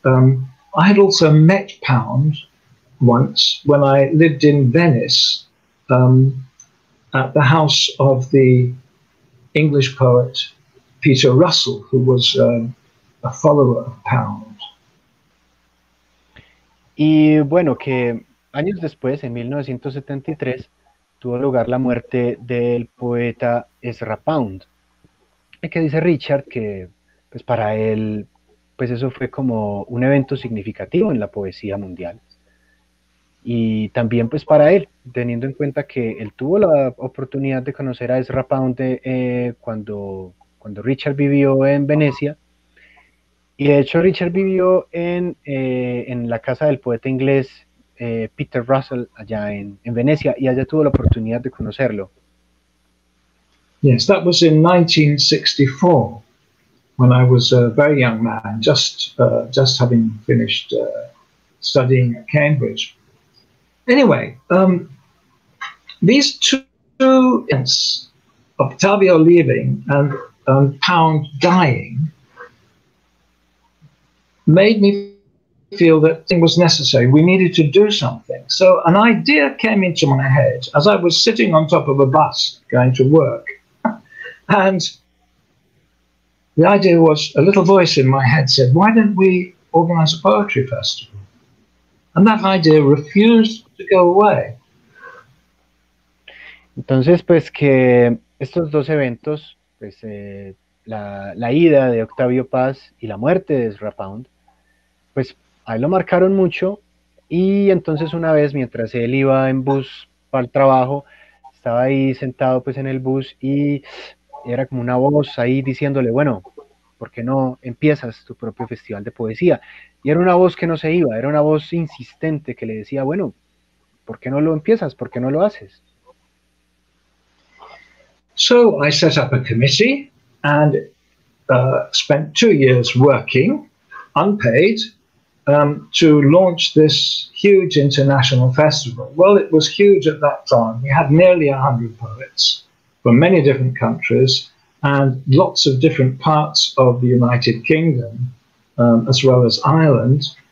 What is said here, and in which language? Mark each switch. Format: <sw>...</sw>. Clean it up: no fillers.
<en>I had also met Pound once when I lived in Venice at the house of the English poet Peter Russell, who was a follower of Pound.</en> <es>Y bueno, que años después, en 1973, tuvo lugar la muerte del poeta Ezra Pound. Y que dice Richard que pues para él pues eso fue como un evento significativo en la poesía mundial. Y también pues para él, teniendo en cuenta que él tuvo la oportunidad de conocer a Ezra Pound cuando Richard vivió en Venecia. Y de hecho Richard vivió en la casa del poeta inglés Peter Russell allá en Venecia, y allá tuvo la oportunidad de conocerlo.</es> <en>Yes, that was in 1964, when I was a very young man, just having finished studying at Cambridge. Anyway, these two events, Octavio leaving and Pound dying, made me feel that it was necessary. We needed to do something. So an idea came into my head as I was sitting on top of a bus going to work. And the idea was, a little voice in my head said, why don't we organize a poetry festival? And that idea refused to go away.</en> <es>Entonces, pues que estos dos eventos, pues la ida de Octavio Paz y la muerte de Ezra Pound, pues ahí lo marcaron mucho. Y entonces una vez, mientras él iba en bus para el trabajo, estaba ahí sentado pues en el bus y era como una voz ahí diciéndole, bueno, ¿por qué no empiezas tu propio festival de poesía? Y era una voz que no se iba, era una voz insistente que le decía, bueno, ¿por qué no lo empiezas? ¿Por qué no lo haces?</es> <en>So I set up a committee and spent 2 years working, unpaid, to launch this huge international festival. Well, it was huge at that time. We had nearly 100 poets from many different countries and lots of different parts of the United Kingdom, as well as Ireland.</en>